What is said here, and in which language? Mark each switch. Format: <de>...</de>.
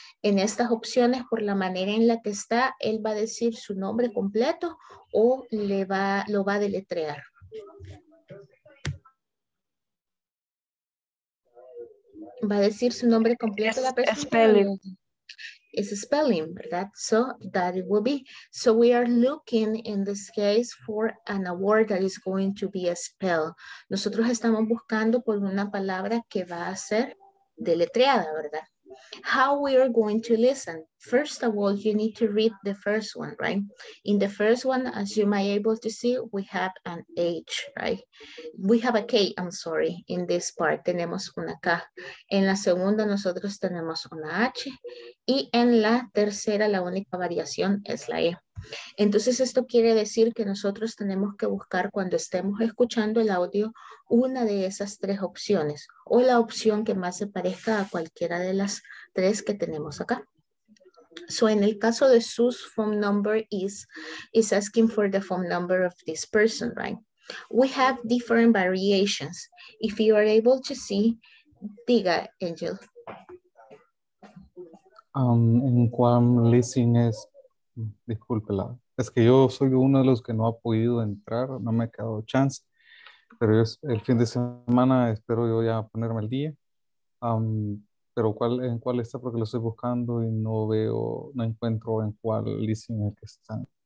<es>En estas opciones, por la manera en la que está, él va a decir su nombre completo o lo va a deletrear. Va a decir su nombre completo la persona.</es> <en>Spelling. Is spelling, ¿verdad? So that it will be. So we are looking in this case for an word that is going to be a spell.</en> <es>Nosotros estamos buscando por una palabra que va a ser deletreada, ¿verdad?</es> <en>How we are going to listen? First of all, you need to read the first one, right? In the first one, as you might be able to see, we have an H, right? We have a K, I'm sorry, in this part.</en> <es>Tenemos una K. En la segunda, nosotros tenemos una H. Y en la tercera, la única variación es la E. Entonces, esto quiere decir que nosotros tenemos que buscar, cuando estemos escuchando el audio, una de esas 3 opciones o la opción que más se parezca a cualquiera de las 3 que tenemos acá.</es> <en>So,</en> <es>en el caso de</es> <en>Sue's phone number is asking for the phone number of this person, right? We have different variations. If you are able to see,</en> <es>diga,</es> <en>Angel.</en> <es>En cuán listening es, discúlpela, es que yo soy uno de los que no ha podido entrar, no me ha quedado chance, pero es el fin de semana, espero yo ya ponerme al día. Pero ¿en cuál está? Porque lo estoy buscando y no encuentro en cuál listening el que está.</es>